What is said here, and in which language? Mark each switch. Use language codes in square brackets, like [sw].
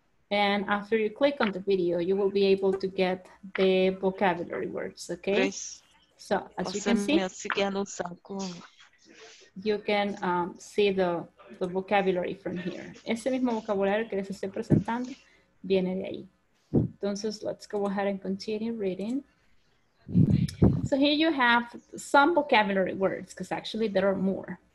[en] And after you click on the video, you will be able to get the vocabulary words, okay? So, as you can see, you can see the vocabulary from here. [es] Ese mismo vocabulario que les estoy presentando viene de ahí. Entonces, [en] let's go ahead and continue reading. So, here you have some vocabulary words, because actually there are more.